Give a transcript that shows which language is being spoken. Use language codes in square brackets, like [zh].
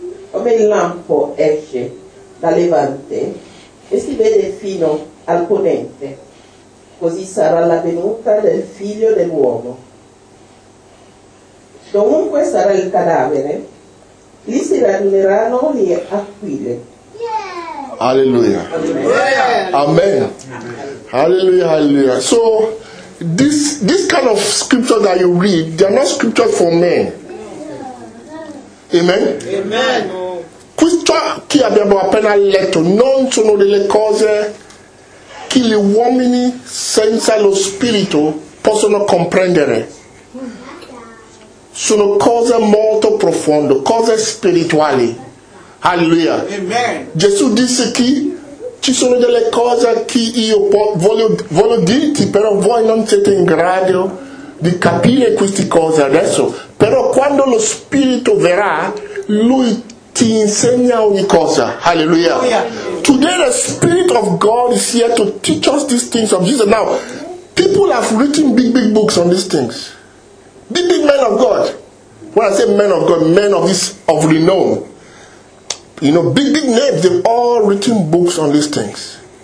[it] come il lampo esce da Levante e si vede fino al ponente, così sarà la venuta del figlio dell'uomo. Dovunque sarà il cadavere, lì si raduneranno le aquile. Alleluia. Amen. Alleluia, alleluia. [en] So, this kind of scripture that you read, they are not scriptures for men. Amen. Amen. [it] Questa che abbiamo appena letto non sono delle cose che gli uomini senza lo spirito possono comprendere. Sono cose molto profonde, cose spirituali. Alleluia. Amen. Gesù disse che ci sono delle cose che io voglio dirti, però voi non siete in grado di capire queste cose adesso. Però quando lo Spirito verrà, lui ti insegna ogni cosa. Alleluia. [en] Today the Spirit of God is here to teach us these things of Jesus. Now, people have written big books on these things. Big men of God. When I say men of God, men of this of renown. You know, big names, they've all written books on these things.